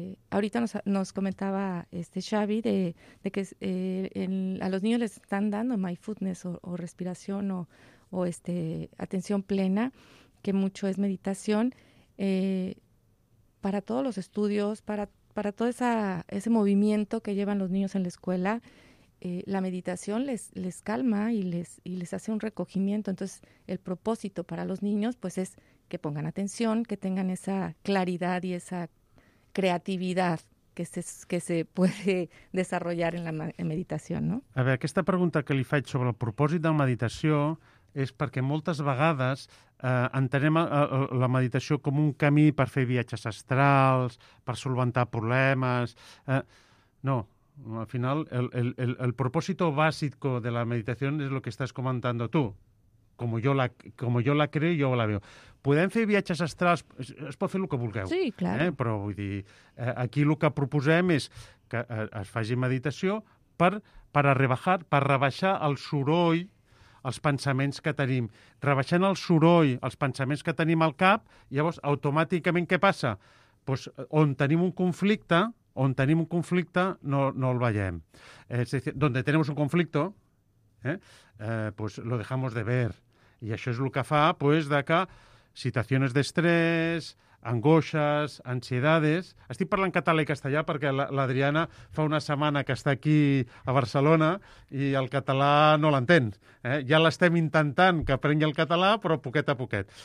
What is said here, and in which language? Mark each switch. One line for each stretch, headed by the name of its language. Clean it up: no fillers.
Spanish: ahorita nos comentaba Xavi de que a los niños les están dando mindfulness o respiración o atención plena, que mucho es meditación, para todos los estudios, para todo ese movimiento que llevan los niños en la escuela, la meditación les calma y les hace un recogimiento. Entonces el propósito para los niños, pues, es que pongan atención, que tengan esa claridad y esa creatividad que se puede desarrollar en la meditación, ¿no?
Catalan: A veure, aquesta pregunta que li faig sobre el propòsit de la meditació és perquè moltes vegades entenem la meditació com un camí per fer viatges astrals, per solventar problemes. No, al final el propòsit bàsic de la meditació és el que estàs comentant tu. Com jo la creo, jo la veo. Podem fer viatges astrals, es pot fer el que vulgueu. Sí, clar. Però vull dir, aquí el que proposem és que es faci meditació per rebaixar el soroll, els pensaments que tenim. Rebaixant el soroll, els pensaments que tenim al cap, llavors, automàticament, què passa? Pues, on tenim un conflicte, no el veiem. És a dir,
Spanish: donde tenemos un conflicto, pues lo dejamos de ver.
Catalan: I això és el que fa, pues, de que situacions d'estrès, angoixes, ansiedades... Estic parlant català i castellà perquè l'Adriana fa una setmana que està aquí a Barcelona i el català no l'entén. Ja l'estem intentant que aprengui el català, però poquet a poquet.